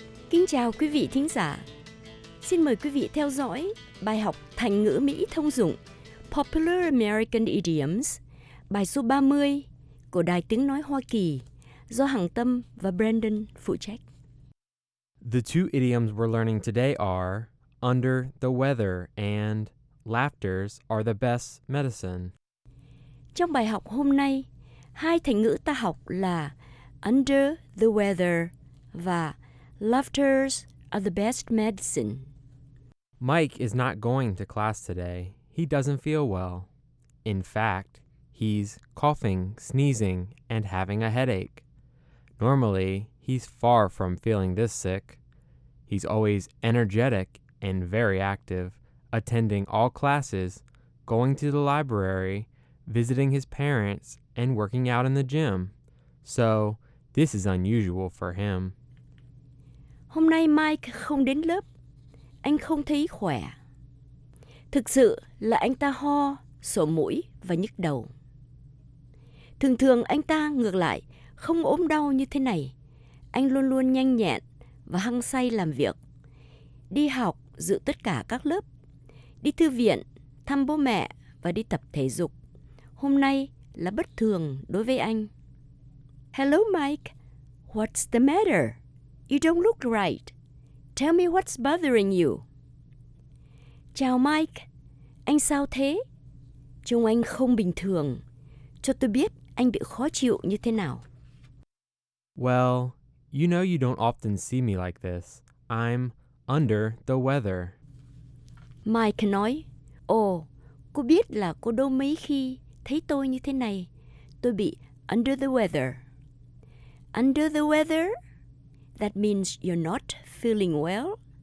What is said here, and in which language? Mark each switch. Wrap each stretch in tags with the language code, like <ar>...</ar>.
<vi>Kính chào quý vị thính giả. Xin mời quý vị theo dõi bài học thành ngữ Mỹ thông dụng Popular American Idioms, bài số 30 của Đài Tiếng Nói Hoa Kỳ, do Hằng Tâm và Brandon phụ trách.</vi> <en>The two idioms we're learning today are under the weather and laughters are the best medicine.</en> <vi>Trong bài học hôm nay, hai thành ngữ ta học là</vi> <en>under the weather</en> <vi>và</vi> <en>laughters are the best medicine. Mike is not going to class today. He doesn't feel well. In fact, he's coughing, sneezing, and having a headache. Normally, he's far from feeling this sick. He's always energetic and very active, attending all classes, going to the library, visiting his parents, and working out in the gym. So, this is unusual for him.</en> <vi>Hôm nay Mike không đến lớp. Anh không thấy khỏe. Thực sự là anh ta ho, sổ mũi và nhức đầu. Thường thường anh ta ngược lại, không ốm đau như thế này. Anh luôn luôn nhanh nhẹn và hăng say làm việc. Đi học, dự tất cả các lớp. Đi thư viện, thăm bố mẹ và đi tập thể dục. Hôm nay là bất thường đối với anh.</vi> <en>Hello Mike, what's the matter? You don't look right. Tell me what's bothering you.</en> <vi>Chào Mike, anh sao thế? Trông anh không bình thường. Cho tôi biết anh bị khó chịu như thế nào.</vi> <en>Well, you know you don't often see me like this. I'm under the weather.</en> <vi>Mike nói, ồ, cô biết là cô đâu mấy khi thấy tôi như thế này. Tôi bị</vi> <en>under the weather. Under the weather? That means you're not feeling well.</en>